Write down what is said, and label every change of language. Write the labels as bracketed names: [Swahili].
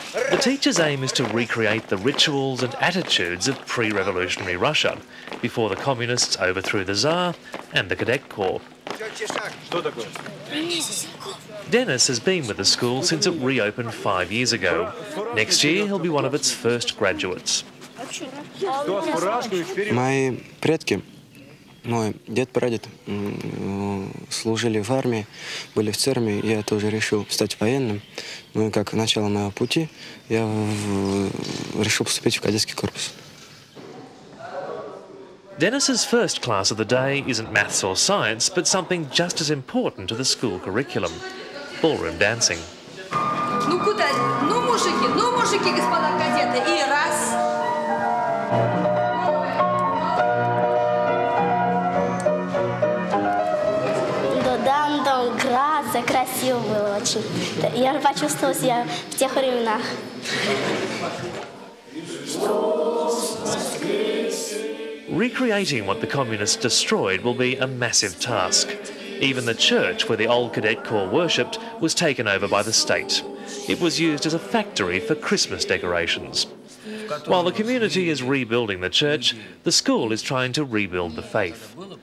[English] The teacher's aim is to recreate the rituals and attitudes of pre-revolutionary Russia, before the communists overthrew the Tsar and the Cadet Corps. Denis has been with the school since it reopened 5 years ago. Next year, he'll be one of its first graduates. [Russian] My predki, мой дед прадед служили в армии, были в церкви. Я тоже решил стать военным. Ну и как начало моего пути, я решил поступить в кадетский корпус. [English] Dennis's first class of the day isn't maths or science, but something just as important to the school curriculum. Ballroom dancing. [Russian] Ну куда? Ну, мужики, господа кадеты, и раз. Да, там, там, граза, красиво было очень. Я почувствовала себя в тех временах. [English] Recreating what the communists destroyed will be a massive task. Even the church where the old cadet corps worshipped was taken over by the state. It was used as a factory for Christmas decorations. While the community is rebuilding the church, the school is trying to rebuild the faith.